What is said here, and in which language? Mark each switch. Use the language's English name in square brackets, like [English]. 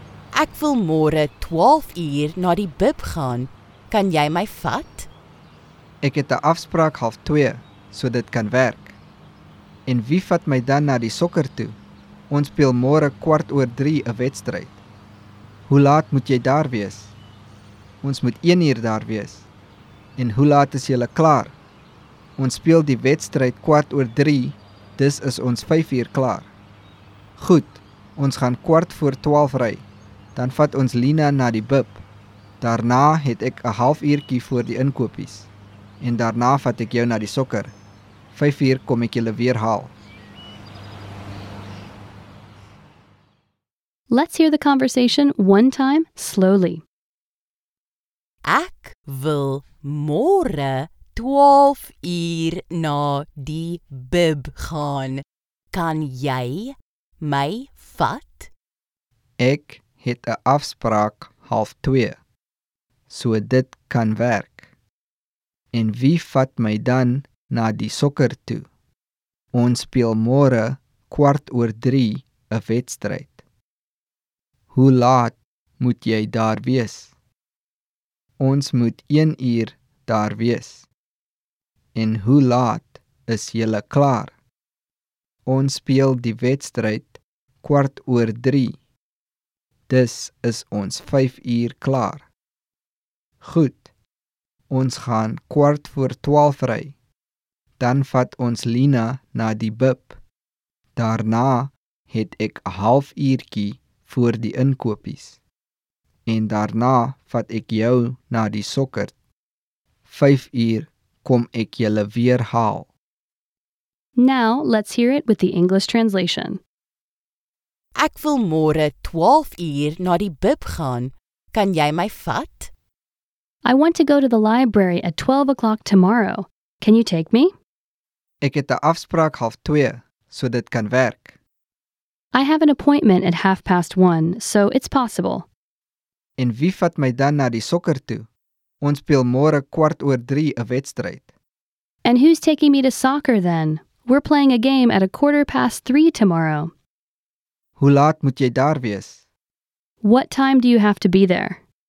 [Afrikaans] Ek wil môre 12:00 na die bib gaan. Kan jy my vat? Ek het 'n afspraak 1:30, so dit kan werk. En wie vat my dan na die sokker toe? Ons speel môre 3:15 'n wedstryd. Hoe laat moet jy daar wees? Ons moet 1:00 daar wees. En hoe laat is julle klaar? Ons speel die wedstryd 3:15, dis is ons 5:00 klaar. Goed, ons gaan 12:15 ry. Dan vat ons Lena na die bib. Daarna het ek 1/2 uurtjie voor die inkopies. En daarna vat ek jou na die sokker. 5:00 kom ek julle weer haal. [English] Let's hear the conversation one time slowly. [Afrikaans] Ek wil môre 12:00 na die bib gaan. Kan jy my vat? Ek het 'n afspraak 1:30, so dit kan werk. En wie vat my dan na die sokker toe? Ons speel môre 3:15 'n wedstryd. Hoe laat moet jy daar wees? Ons moet 1:00 daar wees. En hoe laat is julle klaar? Ons speel die wedstryd 3:15. Dis is ons 5:00 klaar. Goed, ons gaan 11:45 ry. Dan vat ons Lena na die bib. Daarna het ek 1/2 uurtjie voor die inkopies. En daarna vat ek jou na die sokker. 5:00 kom ek julle weer haal. [English] Now, let's hear it with the English translation. [Afrikaans] Ek wil môre 12:00 na die bib gaan. Kan jy my vat? [English] I want to go to the library at 12:00 tomorrow. Can you take me? [Afrikaans] Ek het 'n afspraak 1:30, so dit kan werk. [English] I have an appointment at 1:30, so it's possible. [Afrikaans] En wie vat my dan na die sokker toe? Ons speel môre 3:15 'n wedstryd. [English] And who's taking me to soccer then? We're playing a game at 3:15 tomorrow. [Afrikaans] Hoe laat moet jy daar wees? [English] What time do you have to be there?